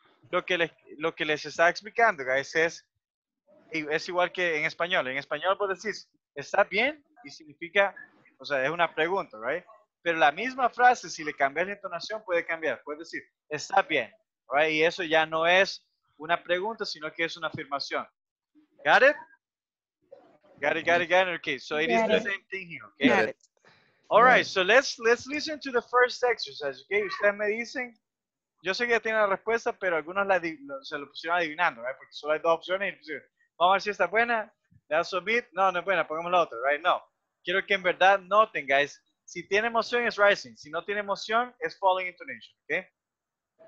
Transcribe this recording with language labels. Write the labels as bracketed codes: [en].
[es] Lo que les está explicando, [en] guys, [es] es igual que en español. En español vos decís, ¿está bien? Y significa, o sea, es una pregunta, [en] right? [es] Pero la misma frase, si le cambias la entonación, puede cambiar. Puedes decir, ¿está bien? [en] Right? [es] Y eso ya no es una pregunta, sino que es una afirmación. [en] ¿Got it? Got it. Okay, so it is the same thing here, okay? Got it. All right, so let's listen to the first exercise, okay? [es] Ustedes me dicen... Yo sé que ya tienen la respuesta, pero algunos se lo pusieron adivinando, ¿verdad? Porque solo hay dos opciones. Vamos a ver si está buena. Le da [en] submit. [es] No es buena. Pongamos la otra, [en] ¿right? [es] No. Quiero que en verdad noten, [en] guys. [es] Si tiene emoción, es [en] rising. [es] Si no tiene emoción, es [en] falling intonation, [es] ¿ok?